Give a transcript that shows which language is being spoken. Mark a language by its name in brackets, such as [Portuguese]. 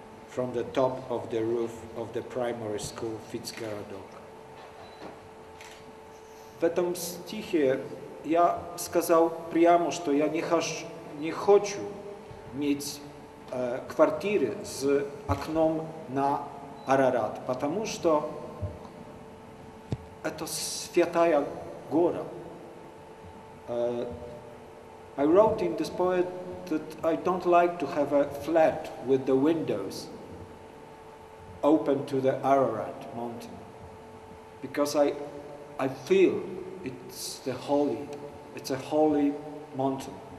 [English] From the top of the roof of the primary school Fitzgerald. [Russian] В этом стихе я сказал прямо, что я не хочу иметь квартиры с окном на Арарат, потому что это святая гора. [English] I wrote in this poem that I don't like to have a flat with the windows open to the Ararat mountain, because I feel it's a holy mountain.